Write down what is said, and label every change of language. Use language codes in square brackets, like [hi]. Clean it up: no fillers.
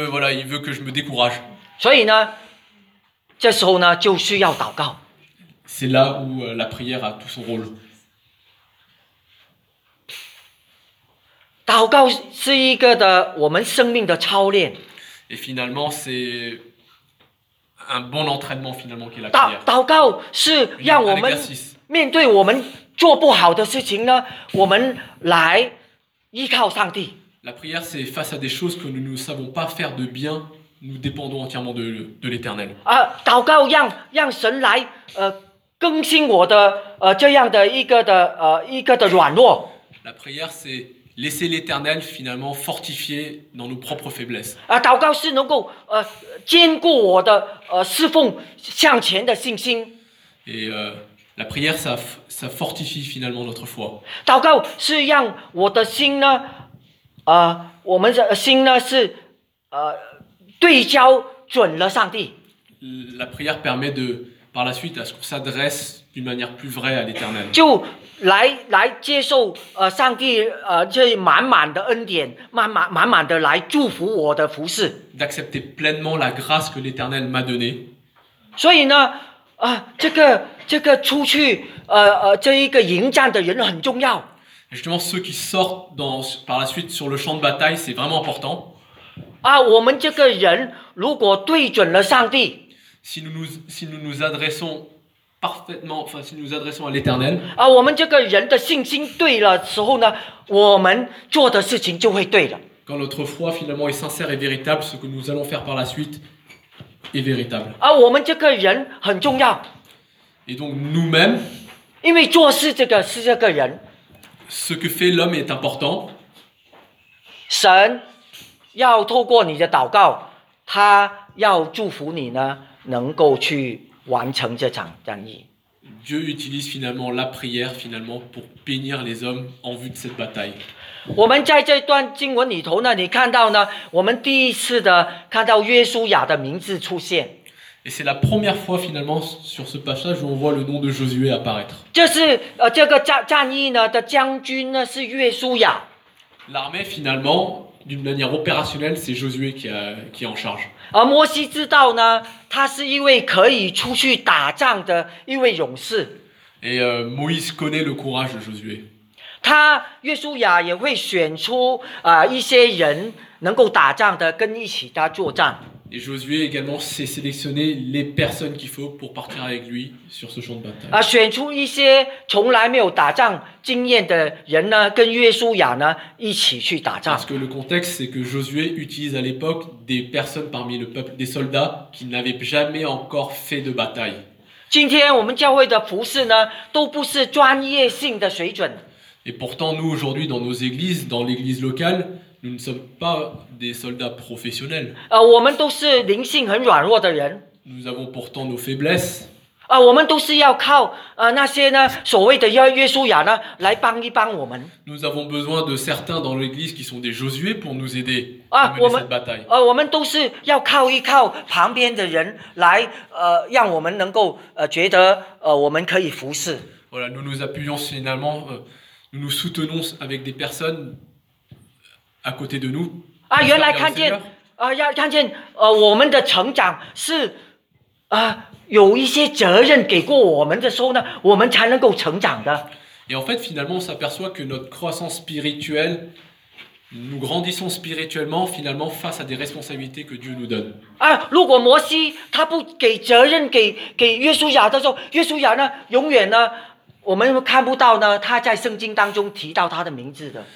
[fr] Il veut que je me décourage. C'est là où la prière a tout son rôle. [zh] 祷告是一个的我们生命的操练。 [fr] Et finalement, c'est un bon entraînement finalement qui est la prière. [zh] 祷告是让我们面对我们做不好的事情呢，我们来依靠上帝。 [fr] La prière, c'est face à des choses que nous ne savons pas faire de bien, nous dépendons entièrement de l'Éternel. [zh] 祷告让神来更新我的这样的一个的软弱。 [fr] La prière, c'est laisser l'Éternel finalement fortifier dans nos propres faiblesses. [zh] 祷告是能够坚固我的侍奉向前的信心。 [fr] Et la prière ça fortifie finalement notre foi. [zh] 祷告是让我的心呢，我们的心呢是对焦准了上帝。 [fr] La prière permet de par la suite à ce qu'on s'adresse d'une manière plus vraie à l'Éternel. [zh] 就来接受上帝这满满的恩典，满满的来祝福我的服事。 [fr] D'accepter pleinement la grâce que l'Éternel m'a donnée. [zh] 所以呢，啊，这个出去，这一个迎战的人很重要。 [fr] Justement, ceux qui sortent dans, par la suite sur le champ de bataille, c'est vraiment important. [zh] 啊，我们这个人如果对准了上帝。 [fr] Si nous nous adressons à l'Éternel. [zh] 啊，我们这个人的信心对了时候呢，我们做的事情就会对了。 [fr] Quand notre foi finalement est sincère et véritable, ce que nous allons faire par la suite est véritable. [zh] 啊，我们这个人很重要。 [fr] Et donc nous-mêmes. [zh] 因为做事这个是这个人。 [fr] Ce que fait l'homme est important. [zh] 神要透过你的祷告，他要祝福你呢，能够去完成这场战役。 [fr] Dieu utilise finalement la prière finalement pour bénir les hommes en vue de cette bataille. [zh] 我们在这段经文里头呢，你看到呢，我们第一次的看到约书亚的名字出现。 [fr] Et c'est la première fois finalement sur ce passage où on voit le nom de Josué apparaître. [zh] 这是这个战役呢的将军呢是约书亚。 [fr] L'armée finalement, d'une manière opérationnelle, c'est Josué qui est en charge. [zh] 而摩西知道呢，他是一位可以出去打仗的一位勇士。 [fr] Et Moïse connaît le courage de Josué. [zh] 他约书亚也会选出一些人能够打仗的，跟一起他作战。 [fr] Et Josué également sait sélectionner les personnes qu'il faut pour partir avec lui sur ce champ de bataille. [zh] 啊，选出一些从来没有打仗经验的人呢，跟约书亚呢一起去打仗。 [fr] Parce que le contexte c'est que Josué utilise à l'époque des personnes parmi le peuple, des soldats qui n'avaient jamais encore fait de bataille. [zh] 今天我们教会的服事呢，都不是专业性的水准。 [fr] Et pourtant nous aujourd'hui dans nos églises, dans l'église locale. Nous ne sommes pas des soldats professionnels. [zh] 我们都是灵性很软弱的人。 [fr] Nous avons pourtant nos faiblesses. [zh] 我们都是要靠那些呢所谓的约书亚呢来帮一帮我们。 [fr] Nous avons besoin de certains dans l'église qui sont des Josué pour nous aider à mener cette bataille. [zh] 我们都是要靠一靠旁边的人来让我们能够觉得我们可以服侍。 [fr] Voilà, nous nous appuyons finalement, nous nous soutenons avec des personnes. À côté de nous, [zh] 啊，原来看见啊，要看见我们的成长是有一些责任给过我们的时候呢，我们才能够成长的。 [fr] Et en fait, finalement, on s'aperçoit que notre croissance spirituelle, nous grandissons spirituellement, finalement, face à des responsabilités que Dieu nous donne. [zh] 啊，如果摩西他不给责任给约书亚的时候，约书亚呢，永远呢。我们看不到呢，他在圣经当中提到他的名字的。